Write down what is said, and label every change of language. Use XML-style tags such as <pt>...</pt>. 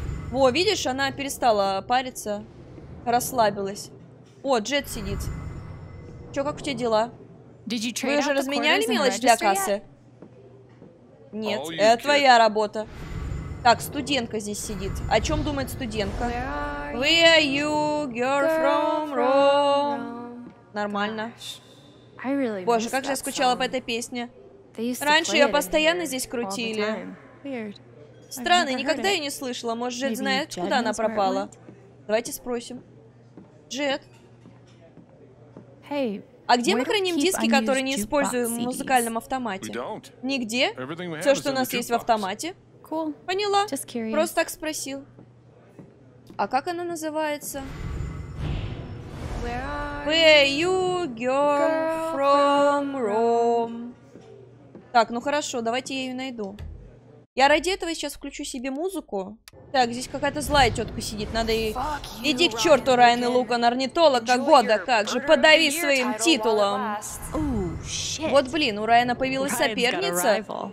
<ru>Во, видишь, она перестала париться, расслабилась. О, Джет сидит. Чё, как у тебя дела? Вы уже разменяли мелочь для кассы? Нет, это твоя работа. Так, студентка здесь сидит. О чем думает студентка?</ru> <en>Where are you, girl from Rome?</en> <ru>Нормально. Боже, как же я скучала по этой песне. Раньше ее постоянно здесь крутили. Странно, никогда ее не слышала. Может, Джет знает, куда она пропала? Давайте спросим. Джет? А где мы храним диски, которые не используем в музыкальном автомате? Нигде. Все, что у нас есть в автомате. Поняла. Просто так спросил. А как она называется?</ru> <en>Where you girl from Rome?</en> <ru>Так, ну хорошо, давайте я ее найду. Я ради этого сейчас включу себе музыку. Так, здесь какая-то злая тетка сидит, надо ей... Иди к черту, Райан и Луган, орнитолога года, как же, подави своим титулом. Вот блин, у Райана появилась соперница.</ru>